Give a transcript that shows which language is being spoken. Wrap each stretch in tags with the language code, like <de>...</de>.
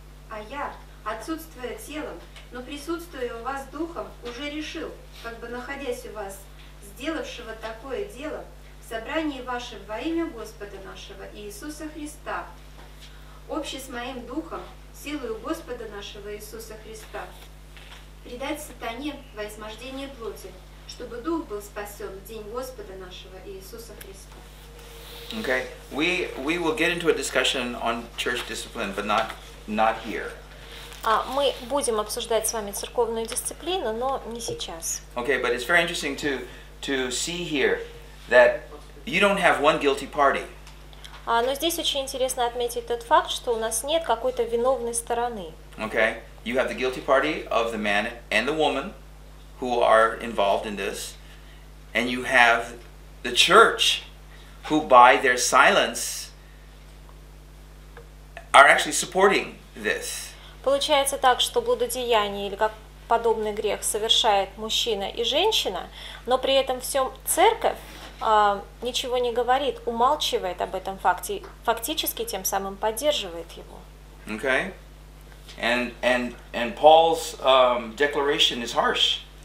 <ru>А я, отсутствуя телом, но присутствуя у вас духом, уже решил, как бы находясь у вас, сделавшего такое дело, в собрании вашем во имя Господа нашего Иисуса Христа, общий с моим духом, силою Господа нашего Иисуса Христа, предать сатане во измождение плоти, чтобы дух был спасен в день Господа нашего Иисуса Христа.</ru> <en>Okay, we will get into a discussion on church discipline, but not here.</en> <ru>Мы будем обсуждать с вами церковную дисциплину, но не сейчас.</ru> <en>Okay, but it's very interesting to see here that you don't have one guilty party.</en> <ru>Но здесь очень интересно отметить тот факт, что у нас нет какой-то виновной стороны.</ru> <en>Okay, you have the guilty party of the man and the woman who are involved in this, and you have the church who by their silence are actually supporting this.</en> <ru>Получается так, что блудодеяние или как подобный грех совершает мужчина и женщина, но при этом всем церковь ничего не говорит, умалчивает об этом факте, фактически тем самым поддерживает его.</ru> <en>Okay. And Paul's declaration is harsh.</en>